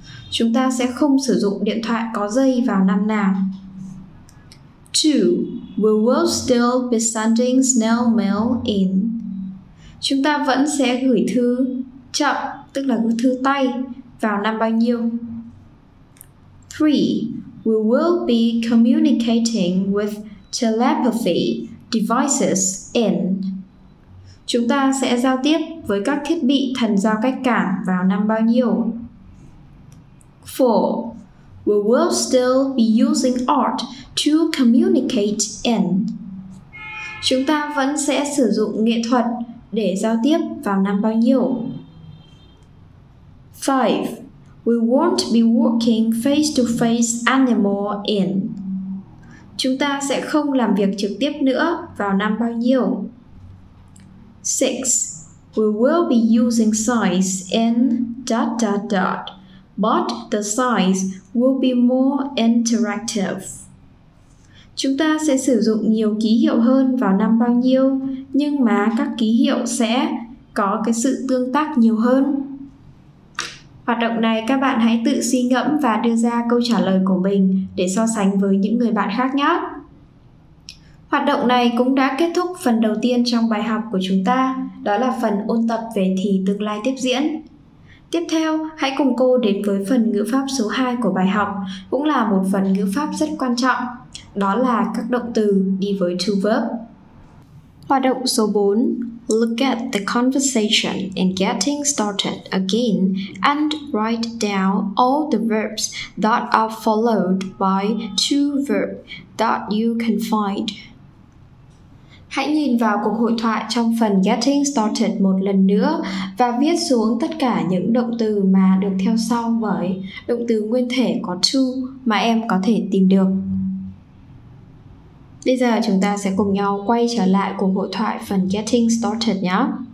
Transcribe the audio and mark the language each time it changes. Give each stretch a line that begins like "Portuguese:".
Vietnamese: Chúng ta sẽ không sử dụng điện thoại có dây vào năm nào.
English: 2. We will still be sending snail mail in.
Vietnamese: Chúng ta vẫn sẽ gửi thư chậm, tức là gửi thư tay, vào năm bao nhiêu. 3.
English: We will be communicating with telepathy devices in.
Vietnamese: Chúng ta sẽ giao tiếp với các thiết bị thần giao cách cảm vào năm bao nhiêu.
English: 4. We will still be using art to communicate in.
Vietnamese: Chúng ta vẫn sẽ sử dụng nghệ thuật để giao tiếp vào năm bao nhiêu.
English: 5. We won't be working face to face anymore in.
Vietnamese: Chúng ta sẽ không làm việc trực tiếp nữa vào năm bao nhiêu. 6.
English: We will be using signs in dot dot dot, but the signs will be more interactive.
Vietnamese: Chúng ta sẽ sử dụng nhiều ký hiệu hơn vào năm bao nhiêu, nhưng mà các ký hiệu sẽ có cái sự tương tác nhiều hơn. Hoạt động này các bạn hãy tự suy ngẫm và đưa ra câu trả lời của mình để so sánh với những người bạn khác nhé. Hoạt động này cũng đã kết thúc phần đầu tiên trong bài học của chúng ta, đó là phần ôn tập về thì tương lai tiếp diễn. Tiếp theo, hãy cùng cô đến với phần ngữ pháp số 2 của bài học, cũng là một phần ngữ pháp rất quan trọng, đó là các động từ đi với to verb. Hoạt động số 4.
English: Look at the conversation in getting started again and write down all the verbs that are followed by to verb that you can find.
Vietnamese: Hãy nhìn vào cuộc hội thoại trong phần Getting Started một lần nữa và viết xuống tất cả những động từ mà được theo sau với động từ nguyên thể có to mà em có thể tìm được. Bây giờ chúng ta sẽ cùng nhau quay trở lại cuộc hội thoại phần Getting Started nhé.